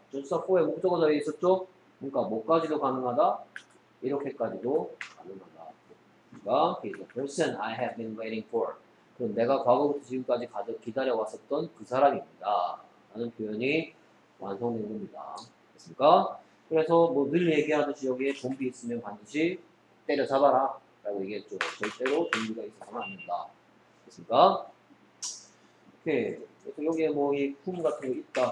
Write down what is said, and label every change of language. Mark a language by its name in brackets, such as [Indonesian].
[Korean] 전치사 4의 목적어 자리에 있었죠? 그러니까 뭐까지도 가능하다? 이렇게까지도 가능하다. 그러니까 [English] He's the person I have been waiting for. [Korean] 그럼 내가 과거부터 지금까지 기다려왔었던 그 사람입니다 라는 표현이 완성된 겁니다. 됐습니까? 그래서 뭐 늘 얘기하듯이 여기에 좀비 있으면 반드시 때려잡아라 라고 얘기했죠. 절대로 좀비가 있어서는 안 된다. 됐습니까? 그래서 여기에 뭐 이 품 같은 게 있다.